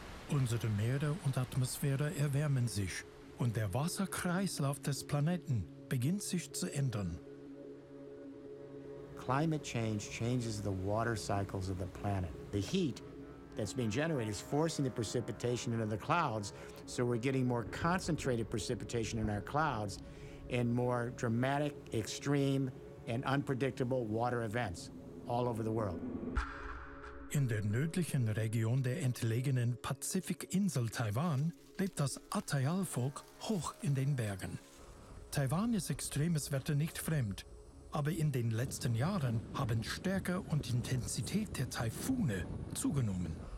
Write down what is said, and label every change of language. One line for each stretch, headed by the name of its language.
German: Unsere Meere und Atmosphäre erwärmen sich, und der Wasserkreislauf des Planeten beginnt sich zu ändern.
English: Climate change changes the water cycles of the planet. The heat that's being generated is forcing the precipitation into the clouds, so we're getting more concentrated precipitation in our clouds and more dramatic, extreme, and unpredictable water events all over the world.
German: In der nördlichen Region der entlegenen Pazifikinsel Taiwan lebt das Atayal-Volk hoch in den Bergen. Taiwan ist extremes Wetter nicht fremd, aber in den letzten Jahren haben Stärke und Intensität der Taifune zugenommen.